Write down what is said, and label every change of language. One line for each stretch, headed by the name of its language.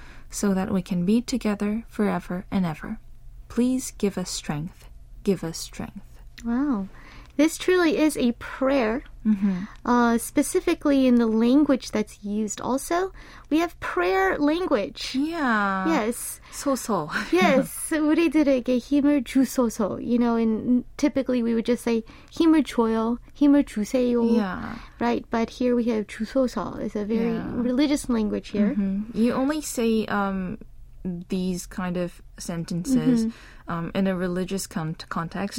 English: So that we can be together forever and ever. Please give us strength. Give us strength. Wow. This truly is a prayer. Mm-hmm. Specifically in the language that's used also, we have prayer language. Yeah. Yes. 소소. Yes.
Korean: 우리들에게 힘을 주소서.
English: You know, and typically we would just say
Korean: 힘을 줘요, 힘을 주세요.
English: Yeah. Right? But here we have 주소서. It's a very yeah. religious language here. Mm-hmm. You only say these kind of sentences mm-hmm. In a religious context.